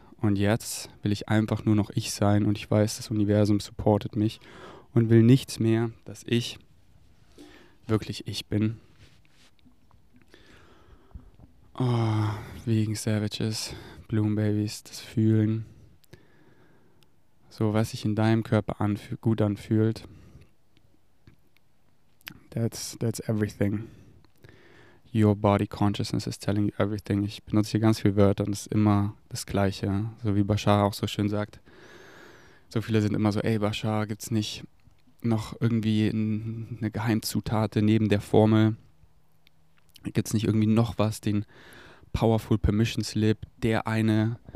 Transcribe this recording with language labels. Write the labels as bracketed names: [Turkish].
[German] Und jetzt will ich einfach nur noch ich sein und ich weiß, das Universum supportet mich und will nichts mehr, dass ich wirklich ich bin. Oh, Vegan Savages, Bloom Babies, das Fühlen. So, was sich in deinem Körper gut anfühlt. [English] That's everything. Your body consciousness is telling you everything. [German] Ich benutze hier ganz viele Wörter und es ist immer das Gleiche. So wie Bashar auch so schön sagt. So viele sind immer so, ey Bashar, gibt's nicht noch irgendwie eine Geheimzutate neben der Formel? Gibt's nicht irgendwie noch was, den Powerful Permission Slip, der eine?